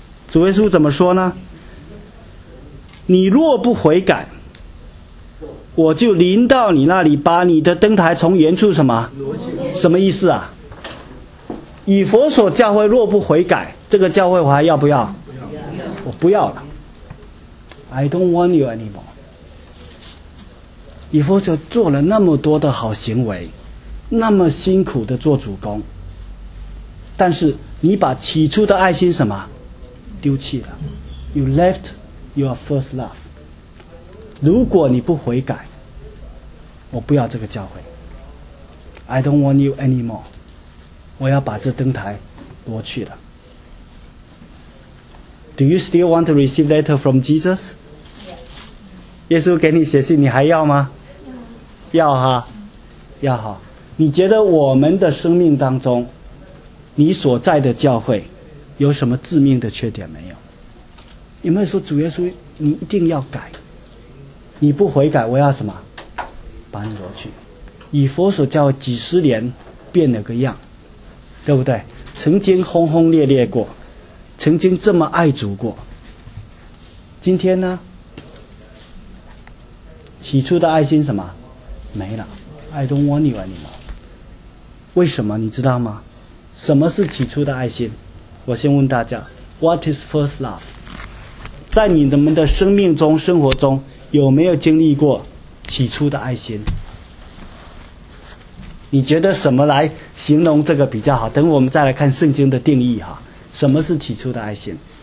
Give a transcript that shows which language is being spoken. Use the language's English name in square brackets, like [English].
[Chinese] 主耶稣怎么说呢？你若不悔改，我就临到你那里把你的灯台从原处什么？什么意思啊？以弗所教会若不悔改，这个教会我还要不要？我不要了。 [English] I don't want you anymore。 [Chinese] 以弗所做了那么多的好行为，那么辛苦的做主公，但是你把起初的爱心什么丢弃了。 [English] You left your first love。 [Chinese] 如果你不悔改，我不要这个教会。 [English] I don't want you anymore。 [Chinese] 我要把这灯台挪去了。 [English] Do you still want to receive letter from Jesus? Yes。 [Chinese] 耶稣给你写信你还要吗？要哈，要哈。你觉得我们的生命当中，你所在的教会有什么致命的缺点没有？有没有说主耶稣你一定要改，你不悔改我要什么搬挪去？以弗所教会几十年变了个样，对不对？曾经轰轰烈烈过，曾经这么爱主过，今天呢？起初的爱心什么没了。 [English] I don't want you anymore。 [Chinese] 为什么你知道吗？什么是起初的爱心？我先问大家， [English] What is first love？ [Chinese] 在你们的生命中生活中有没有经历过起初的爱心？你觉得什么来形容这个比较好？等我们再来看圣经的定义哈。什么是起初的爱心？